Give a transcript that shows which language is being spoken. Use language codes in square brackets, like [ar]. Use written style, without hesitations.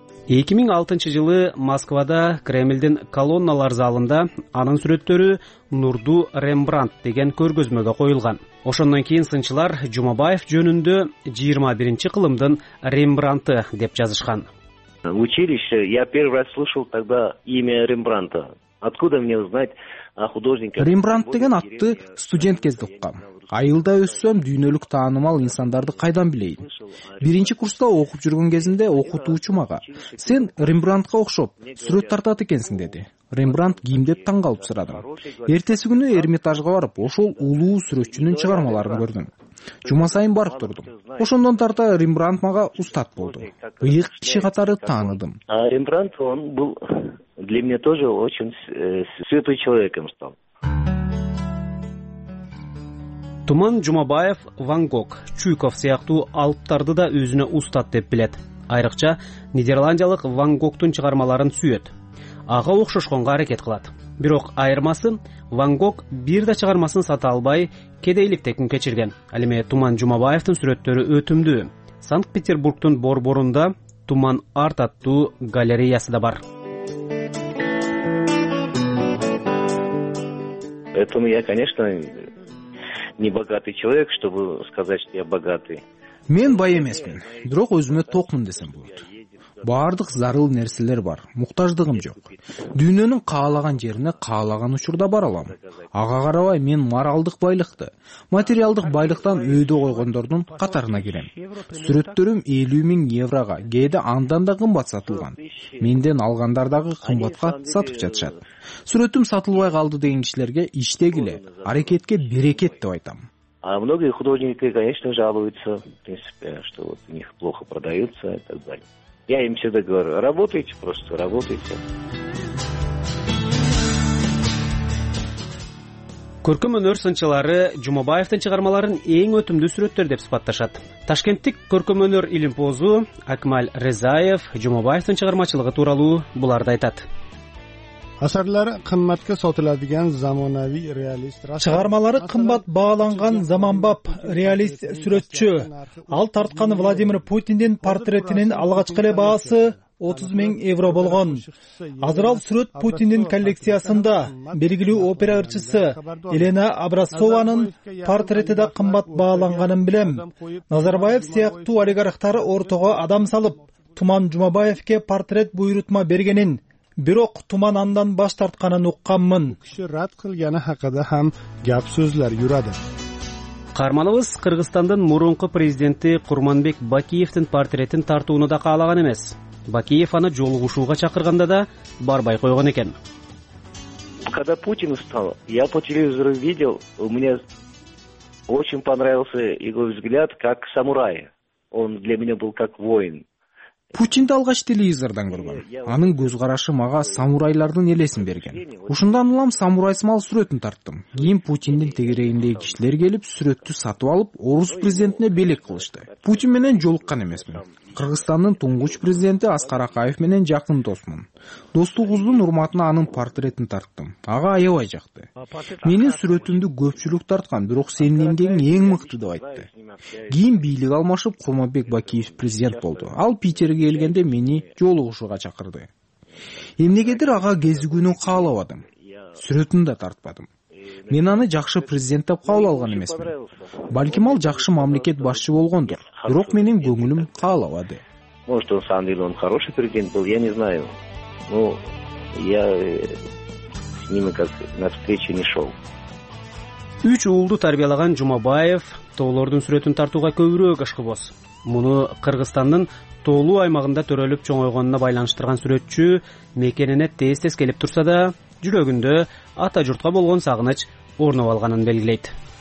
[ky] 2006 жылы Москвада Кремлдин колонналар залында анын сүрөттөрү Нурду Рембрандт деген көргөзмөгө коюлган. Ошондон кийин сынчылар Жумабаев жөнүндө 21-чи кылымдын Рембрандты деп жазышкан. [ru] Училище, я первый раз слышал тогда имя Рембрандта. Откуда мне узнать о художнике? [ky] Рембрандт деген атты студент кезде уккам. Айылда өссөм дүйнөлүк таанымал инсандарды кайдан билейин? Биринчи курста окуп жүргөн кезинде окутуучум ага: «Сен Рембрандтка окшоп сүрөт тартат экенсиң» деди. Рембрандт ким деп таң калып сурадым. Эртеси күнү Эрмитажга барып, ошол улуу сүрөтчүнүн чыгармаларын көрдүм. Жума сайын барып турдум. Ошондон тарта Рембрандт мага устат болду. Ыйык киши катары тааныдым. [ru] А Рембрандт, он был для меня тоже очень святой человеком стал. [ky] Туман Жумабаев Ван Гог, Чуйков сыяктуу алыптарды да өзүнө устат деп билет. Айрыкча нидерландиялык Ван Гогтун чыгармаларын сүйөт. ага окшошконго аракет кылат. Бирок айырмасы Ван Гог бир да чыгармасын сата албай кедейликте күн кечирген. Ал эми Туман Жумабаевдин сүрөттөрү өтүмдүү. Санкт-Петербургтун борборунда Туман Арт аттуу галереясы да бар. [ru] Поэтому я, конечно, не богатый человек, чтобы сказать, что я богатый. [ky] Мен бай эмесмин, бирок өзүмө токмун десем болот. Бардык зарыл нерселер бар, муктаждыгым жок. Дүйнөнүн каалаган жерине каалаган учурда бара алам. Ага карабай мен моралдык байлыкты, материалдык байлыктан өйдө койгондордун катарына кирем. Сүрөттөрүм 50,000 еврога, кээде андан да кымбат сатылган. Менден алгандар дагы кымбатка сатып жатышат. Сүрөтүм сатылбай калды деген кишилерге иштегиле, аракетке берекет деп айтам. [ru] А многие художники, конечно, жалуются, в принципе, что вот у них плохо продаются и так далее. Я им всегда говорю, работайте просто, работайте. [ky] Көркөм өнөр сынчылары Жумабаевдин чыгармаларын эң өтүмдүү сүрөттөр деп сыпатташат. Ташкенттик көркөм өнөр илимпозу Акмаль Резаев Жумабаевдин чыгармачылыгы тууралуу буларды айтат. [uz] Асарлары кымбатка сотуладыган заманавий реалист. [ky] Чыгармалары кымбат бааланган заманбап реалист сүрөтчү. Ал тарткан Владимир Путиндин портретинин алгачкы эле баасы 30,000 евро болгон. Азыр ал сүрөт Путиндин коллекциясында. Белгилүү опера ырчысы Елена Образцованын портрети да кымбат бааланганын билем. Назарбаев сыяктуу олигархтар ортого адам салып, Туман Жумабаевке портрет буйрутма бергенин, бирок Туман андан баш тартканын укканмын. [uz] Киши рад кылганы хакыда хам гап сөздөр жүрөдү. [ky] Карманыбыз Кыргызстандын мурунку президенти Курманбек Бакиевдин портретин тартууну да каалаган эмес. Бакиев аны жолугушууга чакырганда да барбай койгон экен. [ru] Когда Путин стал, я по телевизору видел, у меня очень понравился его взгляд как самурай. Он для меня был как воин. [ky] Путинди алгач телевизордон көргөм. Анын көз карашы мага самурайлардын элесин берген. Ушундан улам самурай смал сүрөтүн тарттым. Кийин Путиндин тегерегиндеги кишилер келип, сүрөттү сатып алып, орус президентине белек кылышты. Путин менен жолуккан эмесмин. Кыргызстандын туңгуч президенти Аскар Акаев менен жакын досмун. Достугубуздун урматына анын портретин тарттым. Ага аябай жакты. Менин сүрөтүмдү көпчүлүк тарткан, бирок сенин эмгегиң эң мыкты деп айтты. Кийин бийлик алмашып, Курманбек Бакиев президент болду. Ал Питерге келгенде мени жолугушууга чакырды. Эмнегедир ага кезигүүнү каалабадым. Сүрөтүн да тартпадым. Мен аны жакшы президент деп кабыл алган эмесмин. Балким ал жакшы мамлекет башчы болгондур, бирок менин көңүлүм каалабады. [ru] Может, он сам деле он хороший президент был, я не знаю. Ну, я с ними как на встречу не шел. [ky] Үч уулду тарбиялаган Жумабаев тоолордун сүрөтүн тартууга көбүрөөк ашкыбоз. Муну Кыргызстандын тоолуу аймагында төрөлүп чоңойгонуна байланыштырган сүрөтчү мекенине тез-тез келип турса да, жүрөгүндө ата журтка болгон сагыныч орноп алганын белгилейт.